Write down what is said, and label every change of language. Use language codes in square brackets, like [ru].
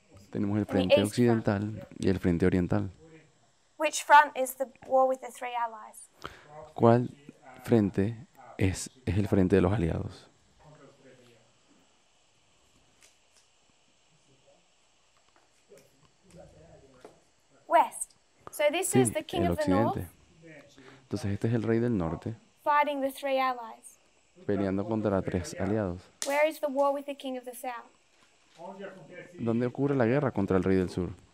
[es] Tenemos el frente occidental y el frente oriental. [en] Which front is the war with the three allies? [es] ¿Cuál frente es el frente de los aliados? [en] West. So this [es] sí, [en] is the king [es] el occidente. [en] Of the north. [es] Entonces este es el rey del norte. [en] Fighting the three allies. [es] Peleando contra tres aliados. [en] Where is the war with the king of the south? [es] ¿Dónde ocurre la guerra contra el rey del sur?